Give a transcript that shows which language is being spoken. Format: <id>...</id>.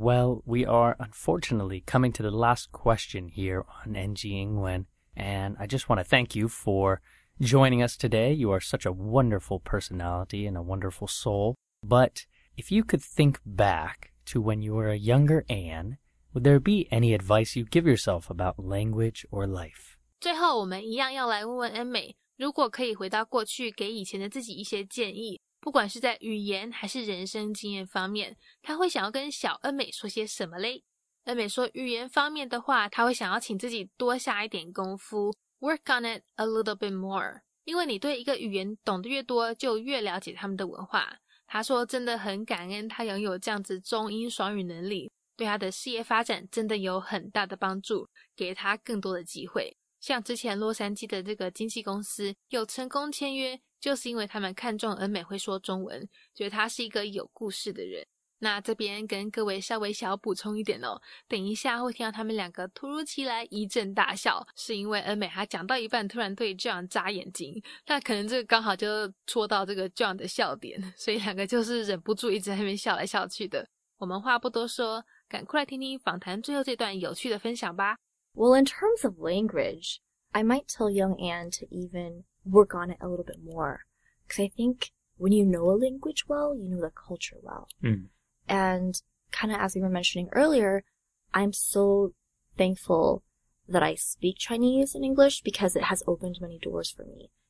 <en>Well, we are unfortunately coming to the last question here on NG Ingwen, and I just want to thank you for... joining us today. You are such a wonderful personality and a wonderful soul. But if you could think back to when you were a younger Anne, would there be any advice you give yourself about language or life?</en> <zh>最后我们一样要来问问恩美，如果可以回到过去给以前的自己一些建议，不管是在语言还是人生经验方面，他会想要跟小恩美说些什么嘞？恩美说语言方面的话，他会想要请自己多下一点功夫。</zh> <en>Work on it a little bit more.</en> <zh>因为你对一个语言懂得越多，就越了解他们的文化。他说真的很感恩他拥有这样子中英双语能力，对他的事业发展真的有很大的帮助，给他更多的机会。像之前洛杉矶的这个经纪公司有成功签约，就是因为他们看中恩美会说中文，觉得他是一个有故事的人。那这边跟各位稍微小补充一点哦，等一下会听到他们两个突如其来一阵大笑，是因为恩美还讲到一半突然对 John 眨眼睛，那可能这个刚好就戳到这个 John 的笑点，所以两个就是忍不住一直在那边笑来笑去的。我们话不多说，赶快来听听访谈最后这段有趣的分享吧。</zh> <en>Well, in terms of language, I might tell young Anne to even work on it a little bit more, because I think when you know a language well, you know the culture well. And kind of as we were mentioning earlier, I'm so thankful that I speak Chinese and English because it has opened many doors for me.</en>